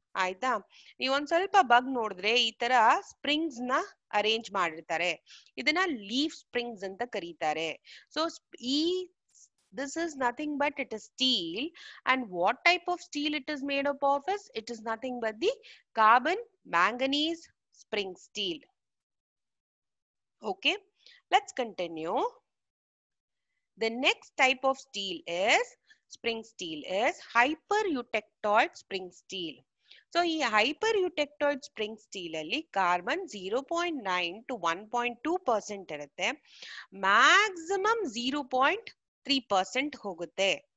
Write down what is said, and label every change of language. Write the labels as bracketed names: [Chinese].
[Kannada] ಆಯ್ತಾ, ನೀವ್ ಒಂದ್ ಸ್ವಲ್ಪ ಬಗ್ ನೋಡಿದ್ರೆ ಈ ತರ ಸ್ಪ್ರಿಂಗ್ಸ್ ನ ಅರೇಂಜ್ ಮಾಡಿರ್ತಾರೆ, ಇದನ್ನ ಲೀಫ್ ಸ್ಪ್ರಿಂಗ್ಸ್ ಅಂತ ಕರೀತಾರೆ. [English] So ಈ this is nothing but it is steel, and what type of steel it is made up of is, it is nothing but the carbon manganese spring steel. Okay, let's continue. The next type of steel is spring steel is hyper-eutectoid spring steel. [Kannada] So, ಈ hyper ಯುಟೆಕ್ಟಾಯ್ಡ್ spring steel ಅಲ್ಲಿ carbon 0.9 to 1.2% ಇರುತ್ತೆ, maximum 0.3% ಹೋಗುತ್ತೆ.